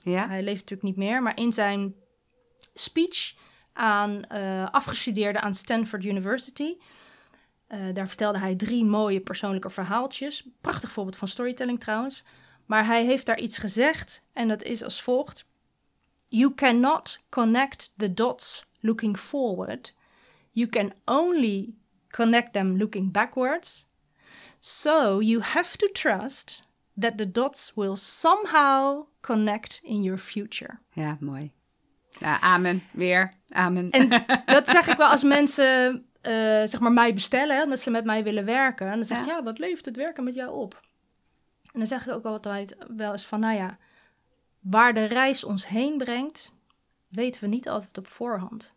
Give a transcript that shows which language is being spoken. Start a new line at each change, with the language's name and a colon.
Dutch: Ja. Hij leeft natuurlijk niet meer. Maar in zijn speech aan afgestudeerden aan Stanford University. Daar vertelde hij 3 mooie persoonlijke verhaaltjes. Prachtig voorbeeld van storytelling trouwens. Maar hij heeft daar iets gezegd. En dat is als volgt.
English: You cannot connect the dots looking forward. You can only connect them looking backwards. So you have to trust that the dots will somehow connect in your future.
Dutch: Ja, mooi. Ja, amen. Weer. Amen. En dat zeg ik wel als mensen zeg maar mij bestellen, omdat ze met mij willen werken. En dan zegt ze, ja, wat levert het werken met jou op? En dan zeg ik ook altijd wel eens van, nou ja, waar de reis ons heen brengt, weten we niet altijd op voorhand.